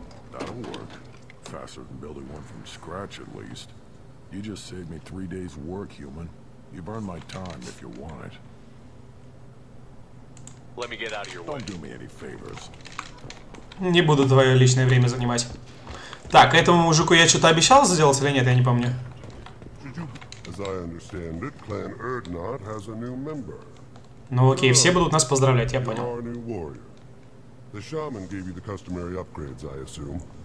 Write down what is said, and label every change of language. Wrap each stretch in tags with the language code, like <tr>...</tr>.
<en>That'll work. Faster than building one from scratch, at least. You just saved me 3 days' work, human. You burn my time if you want it. Let me get out of your way. Don't do me any favors.</en> <ru>Не буду твое личное время занимать. Так, этому мужику я что-то обещал сделать или нет, я не помню.</ru> <en>As I understand it, Clan Erdnot has a new member.</en> <ru>Ну окей, все будут нас поздравлять, я понял.</ru> <en>You are a new warrior. The shaman gave you the customary upgrades, I assume.</en>